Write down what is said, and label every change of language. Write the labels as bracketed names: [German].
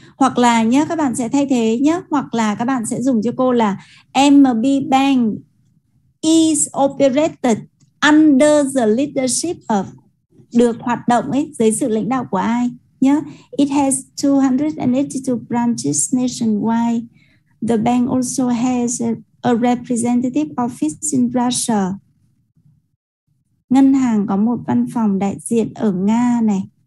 [Vietnamese] Hoặc là nhé, các bạn sẽ thay thế nhé, hoặc là các bạn sẽ dùng cho cô là [English] MB Bank is operated under the leadership of, [Vietnamese] được hoạt động ấy, dưới sự lãnh đạo của ai nhé. [English] It has 282 branches nationwide. The bank also has a representative office in Russia. [Vietnamese] Ngân hàng có một văn phòng đại diện ở Nga này.